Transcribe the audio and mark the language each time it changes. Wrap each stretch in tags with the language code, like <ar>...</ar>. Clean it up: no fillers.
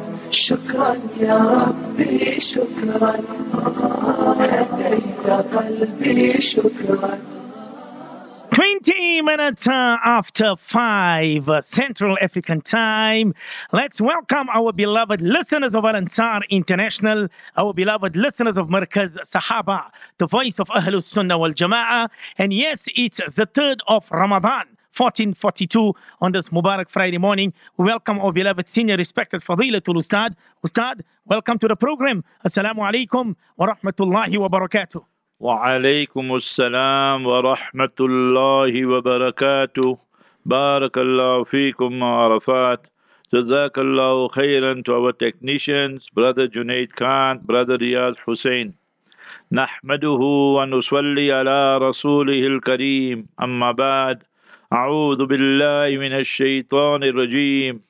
<ar>شكرا يا ربي شكرا لديك قلبي شكرا.</ar> <en>20 minutes after 5 Central African time. Let's welcome our beloved listeners of Al-Ansar International, our beloved listeners of Markaz Sahaba, the voice of Ahlus Sunnah wal Jama'ah. And yes, it's the 3rd of Ramadan, 1442, on this Mubarak Friday morning. Welcome our beloved senior respected Fadilatul Ustad. Ustad, welcome to the program.</en> <ar>Assalamu alaikum wa rahmatullahi wa barakatuh. وعليكم السلام ورحمة الله وبركاته. بارك الله فيكم عرفات. جزاك الله خيرا</ar> <en>to our technicians, brother Junaid Khan, brother Riyaz Hussein.</en> <ar>نحمده ونصلي على رسوله الكريم. أما بعد, أعوذ بالله من الشيطان الرجيم.</ar>